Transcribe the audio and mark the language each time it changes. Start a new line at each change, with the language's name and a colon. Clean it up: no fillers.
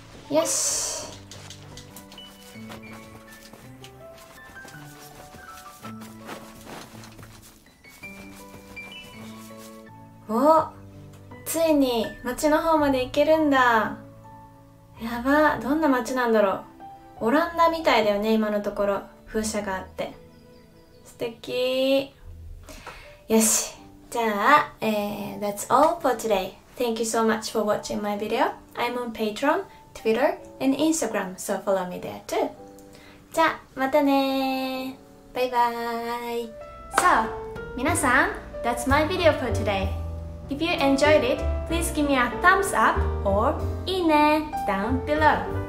Japanese: よし、お、ついに町の方まで行けるんだ。やば、どんな町なんだろう。オランダみたいだよね、今のところ風車があって素敵。よし、じゃあ、
English: That's all for today. Thank you so much for watching my video. I'm on Patreon, Twitter, and Instagram, so follow me there too.
Japanese: じゃあまたね、バイバイ。
English: So,
Japanese: 皆さん、
English: That's my video for todayIf you enjoyed it, please give me a thumbs up or iine down below.